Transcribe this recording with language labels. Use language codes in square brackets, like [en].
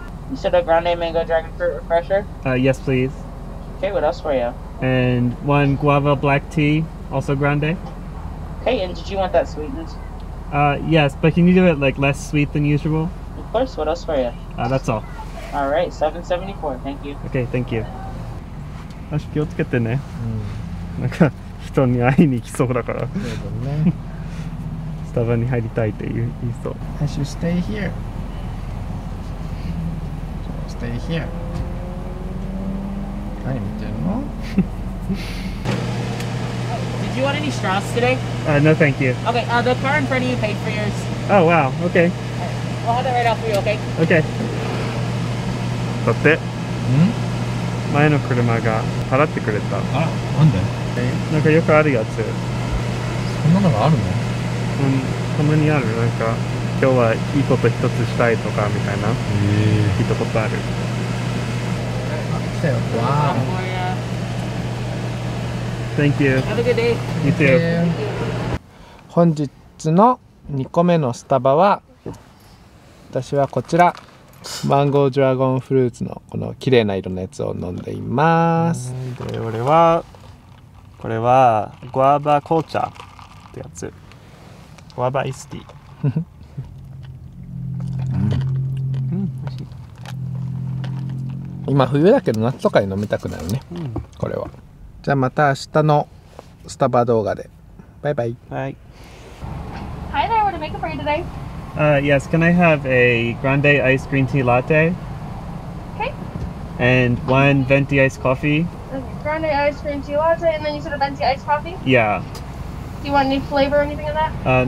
[en] You said a grande mango dragon fruit refresher? Yes, please. Okay, what else for you? And one guava black tea, also grande. Okay, and did you want that sweetness? Yes, but can you do it like less sweet than usual? Of course, what else for you? That's all. All right, $7.74, thank you. Okay, thank you. [ja] 足気をつけてね、うん、なんか人に会いに行きそうだからね。スタバに入りたいって言いそう。 [en] I should stay here. Stay here. [ja] 何見てるの？ [en] Did you want any straws today? No, thank you. Okay, the car in front of you paid for yours. Oh, wow, okay. We'll have that right out for you, okay? Okay. [ja] だって、ん？前の車が払ってくれた。あ、なんで？なんかよくあるやつ。そんなのがあるの？うん、たまにある。なんか今日はいいこと一つしたいとかみたいな。聞いたことある。あ、来たよ。わあ。 [en] Thank you. Have a good day. You too. [ja] 本日の2個目のスタバは、私はこちら。マンゴードラゴンフルーツのこの綺麗な色のやつを飲んでいます。で、俺はこれはグアバ紅茶ってやつ、グアバイスティー。うん、美味しい。今冬だけど夏とかに飲みたくなるね、うん、これは。じゃあまた明日のスタバ動画で。バイバイ。はい。 [en] Hi there, what to make up for you today Yes, can I have a grande iced green tea latte? Okay. And one venti iced coffee. Grande iced green tea latte, and then you said a venti iced coffee? Yeah. Do you want any flavor or anything of that?